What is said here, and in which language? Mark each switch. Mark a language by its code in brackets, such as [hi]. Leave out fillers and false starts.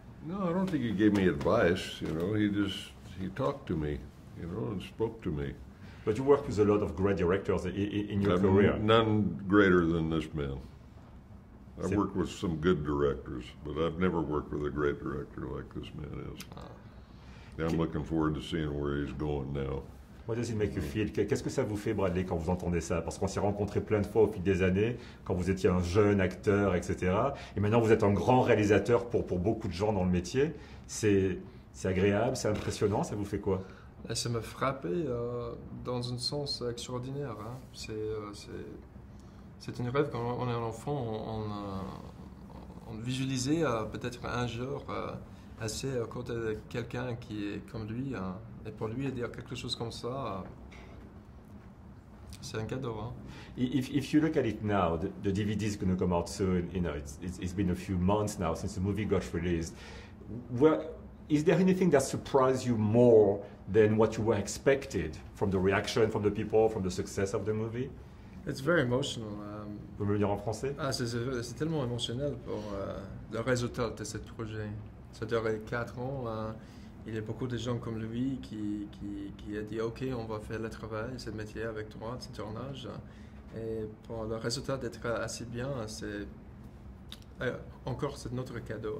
[en] No, I don't think he gave me advice, you know. He talked to me, you know, and spoke to me. But you worked with a lot of great directors in your career. None greater than this man. I've worked with some good directors, but I've never worked with a great director like this man is. I'm looking forward to seeing where he's going now. What does it make you feel? [fr] Qu'est-ce que ça vous fait, Bradley, quand vous entendez ça? Parce qu'on s'est rencontrés plein de fois au fil des années, quand vous étiez un jeune acteur, etc. Et maintenant, vous êtes un grand réalisateur pour beaucoup de gens dans le métier. C'est agréable, c'est impressionnant, ça vous fait quoi? Ça m'a frappé dans un sens extraordinaire. Hein. C'est une rêve, quand on est un enfant, on visualisait peut-être un jour... assez à côté de quelqu'un qui est comme lui, hein. Et pour lui dire quelque chose comme ça, c'est un cadeau. Hein. [en] If you look at it now, the DVD is going to come out soon. You know, it's been a few months now since the movie got released. Where is there anything that surprised you more than what you were expected from the reaction from the people, from the success of the movie? It's very emotional. [fr] Vous pouvez le dire en français? Ah, c'est tellement émotionnel pour le résultat de ce projet. Ça durait 4 ans. Hein. Il y a beaucoup de gens comme lui qui a dit « Ok, on va faire le travail, ce métier avec toi, ce tournage. » Et pour le résultat d'être assez bien, c'est encore notre cadeau.